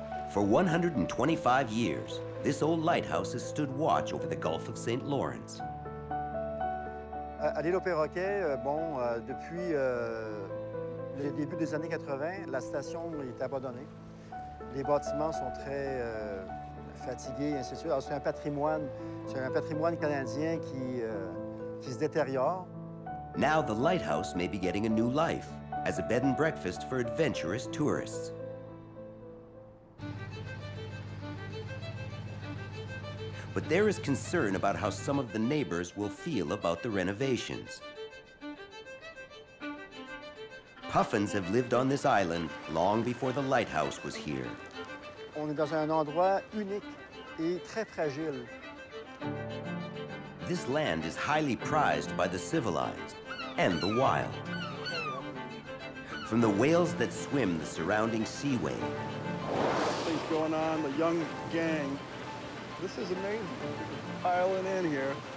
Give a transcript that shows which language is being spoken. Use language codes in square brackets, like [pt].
[en] For 125 years, this old lighthouse has stood watch over the Gulf of St. Lawrence. [fr] À l'île aux perroquets, bon, depuis le début des années 80, la station est abandonnée. Les bâtiments sont très fatigués, et ainsi de suite. Alors, c'est un patrimoine canadien qui qui se détériore. [en] Now the lighthouse may be getting a new life as a bed and breakfast for adventurous tourists. But there is concern about how some of the neighbors will feel about the renovations. Puffins have lived on this island long before the lighthouse was here. [fr] On est dans un endroit unique et très fragile. [en] This land is highly prized by the civilized and the wild. From the whales that swim the surrounding seaway. Things going on, the young gang. This is amazing, piling in here.